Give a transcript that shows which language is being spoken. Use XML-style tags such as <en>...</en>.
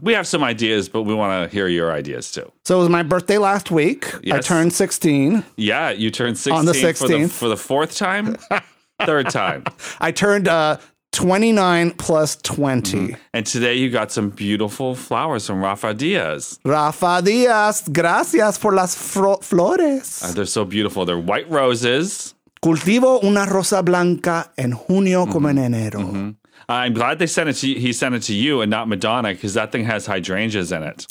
<en>We have some ideas, but we want to hear your ideas, too. So it was my birthday last week. Yes. I turned 16. Yeah, you turned 16 on the 16th. For the fourth time? Third time. I turned 29 plus 20. Mm-hmm. And today you got some beautiful flowers from Rafa Diaz.</en> <es>Rafa Diaz, gracias por las flores.</es> <en>They're so beautiful. They're white roses.</en> <es>Cultivo una rosa blanca en junio como en enero. Mm-hmm.</es> <en>I'm glad they sent it to you. He sent it to you and not Madonna, because that thing has hydrangeas in it.</en>